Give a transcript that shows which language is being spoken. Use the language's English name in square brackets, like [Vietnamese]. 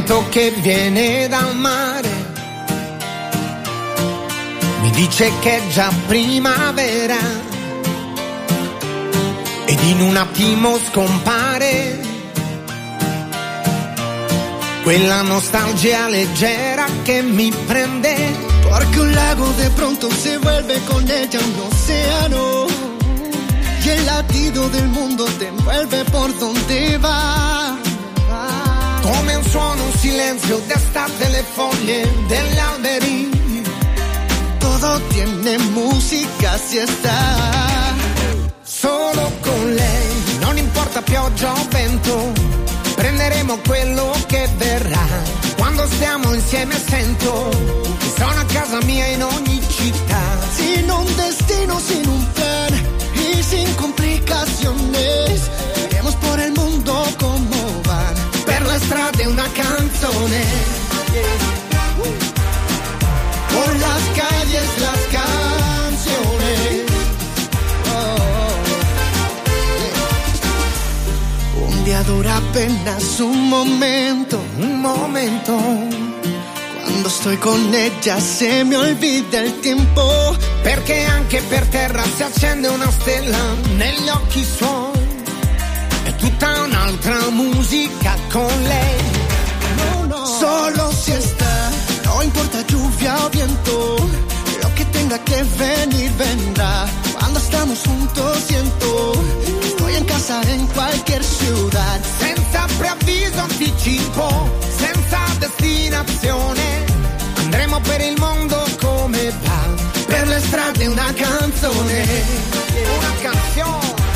[Italian] Che viene dal mare mi dice che è già primavera ed in un attimo scompare quella nostalgia leggera che mi prende. [Spanish] Porque un lago de pronto se vuelve con ella un océano. Y el latido del mundo te envuelve por donde va. [Italian] Come un suono, un silenzio, desta delle foglie, degli alberi. [Spanish] Todo tiene música si está. [Italian] Solo con lei, non importa pioggia o vento. Prenderemo quello che verrà. Quando stiamo insieme sento che sono a casa mia in ogni città. [Spanish] Sin un destino, sin un plan y sin complicaciones. Iremos por el mundo como van. [Italian] Per la strada una canzone. [Spanish] Por las calles las canciones. Oh. Un día dura apenas un momento, un momento. Cuando estoy con ella se me olvida el tiempo. Porque aunque [Italian] per terra se accende una stella negli occhi suoi, es tutta un'altra musica con lei. [Spanish] No, no. Solo si está. No importa lluvia o viento, lo que tenga que venir vendrá. Cuando estamos juntos siento que estoy en casa en cualquier ciudad. [Italian] Senza preavviso anticipo, senza destinazione, andremo per il mondo come va. Per le strade una canzone, una canzone.